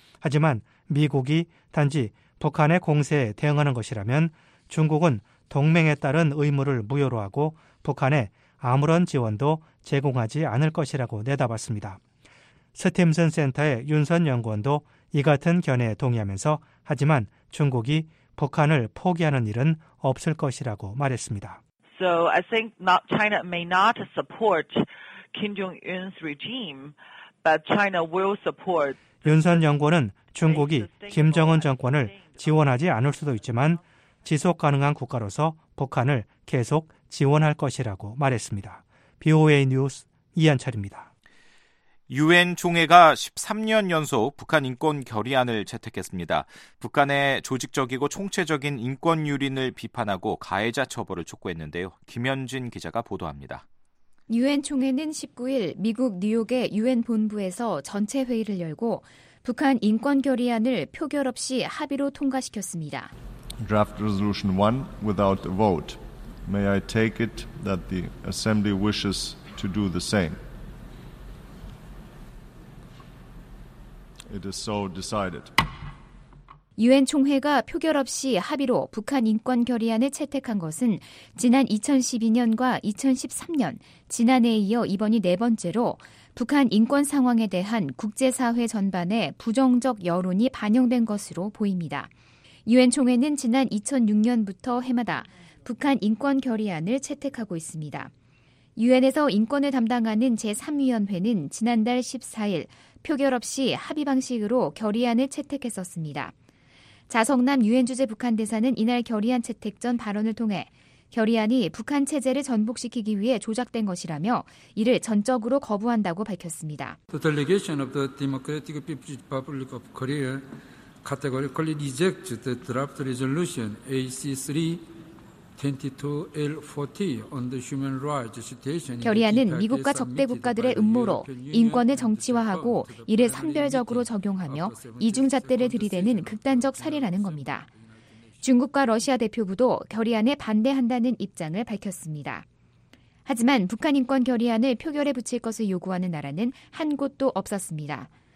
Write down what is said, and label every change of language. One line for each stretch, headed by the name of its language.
Korean: 하지만 미국이 단지 북한의 공세에 대응하는 것이라면 중국은 동맹에 따른 의무를 무효로 하고 북한에 아무런 지원도 제공하지 않을 것이라고 내다봤습니다. 스팀슨 센터의 윤선 연구원도 이 같은 견해에 동의하면서 하지만 중국이 북한을 포기하는 일은 없을 것이라고 말했습니다.
English: So I think not China may not support Kim Jong-un's regime, but China will support.
Korean: 윤선 연구원은 중국이 김정은 정권을 지원하지 않을 수도 있지만 지속 가능한 국가로서 북한을 계속 지원할 것이라고 말했습니다. VOA 뉴스 이한철입니다. 유엔 총회가 13년 연속 북한 인권 결의안을 채택했습니다. 북한의 조직적이고 총체적인 인권 유린을 비판하고 가해자 처벌을 촉구했는데요. 김현진 기자가 보도합니다. 유엔 총회는 19일 미국 뉴욕의 유엔 본부에서 전체 회의를 열고 북한 인권 결의안을 표결 없이 합의로 통과시켰습니다.
English: Draft resolution 1 without a vote. May I take it that the assembly wishes to do the same? It is so decided.
Korean: 유엔 총회가 표결 없이 합의로 북한 인권 결의안을 채택한 것은 지난 2012년과 2013년, 지난해에 이어 이번이 네 번째로 북한 인권 상황에 대한 국제사회 전반에 부정적 여론이 반영된 것으로 보입니다. 유엔 총회는 지난 2006년부터 해마다 북한 인권 결의안을 채택하고 있습니다. 유엔에서 인권을 담당하는 제3위원회는 지난달 14일 표결 없이 합의 방식으로 결의안을 채택했었습니다. 자성남 유엔 주재 북한 대사는 이날 결의안 채택 전 발언을 통해 결의안이 북한 체제를 전복시키기 위해 조작된 것이라며 이를 전적으로 거부한다고 밝혔습니다.
English: The delegation of the Democratic People's Republic of Korea categorically rejects the draft resolution AC3-22L40 on the human rights situation.
Korean: 결의안은 미국과 적대 국가들의 음모로 인권을 정치화하고 이를 선별적으로 적용하며 이중잣대를 들이대는 극단적 사례라는 겁니다. 중국과 러시아 대표부도 결의안에 반대한다는 입장을 밝혔습니다. 하지만 북한 인권 결의안을 표결에 붙일 것을 요구하는 나라는 한 곳도 없었습니다.